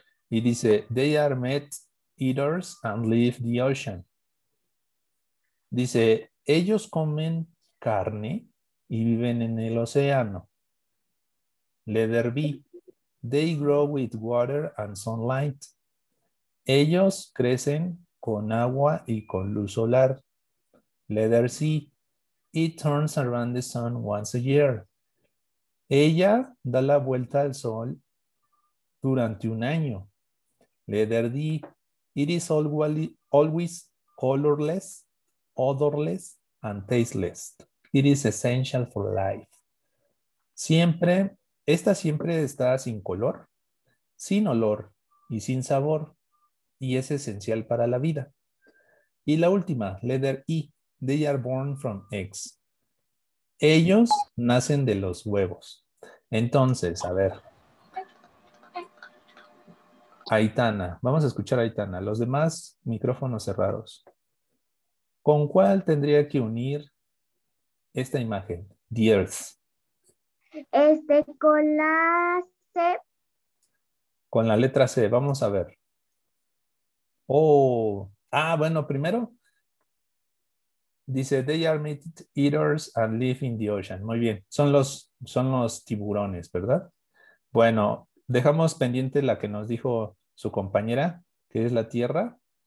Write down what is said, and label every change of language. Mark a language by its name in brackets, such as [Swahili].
[Spanish] Y dice, [English] they are meat eaters and leave the ocean. [Spanish] Dice, ellos comen carne y viven en el océano. [English] Letter B, they grow with water and sunlight. [Spanish] Ellos crecen con agua y con luz solar. [English] Letter C, it turns around the sun once a year. [Spanish] Ella da la vuelta al sol durante un año. [English] Letter D, it is always colorless, odorless, and tasteless. It is essential for life. [Spanish] Siempre, esta siempre está sin color, sin olor y sin sabor. Y es esencial para la vida. Y la última, [English] letter E, they are born from eggs. [Spanish] Ellos nacen de los huevos. Entonces, a ver. Aitana, vamos a escuchar a Aitana. Los demás, micrófonos cerrados. ¿Con cuál tendría que unir esta imagen? [English] The earth. [Spanish] Con la C. Con la letra C, vamos a ver. Oh, bueno, primero dice [English] they are meat eaters and live in the ocean. [Spanish] Muy bien, son los tiburones, ¿verdad? Bueno, dejamos pendiente la que nos dijo su compañera, que es la tierra.